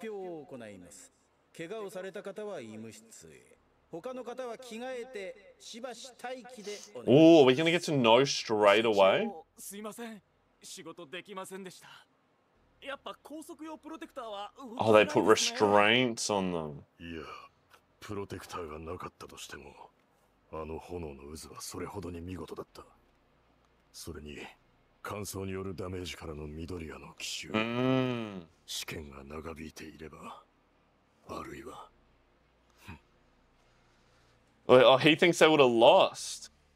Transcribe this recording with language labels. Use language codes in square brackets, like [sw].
[en] Oh, are we going to get to know straight away? Oh, they put restraints on them. Yeah, protector was not there, but the fire was so beautiful. [ja] それに乾燥によるダメージからの緑屋の奇襲、試験が長引いていれば、あるいは、 [en] Wait, oh, he thinks they would have lost.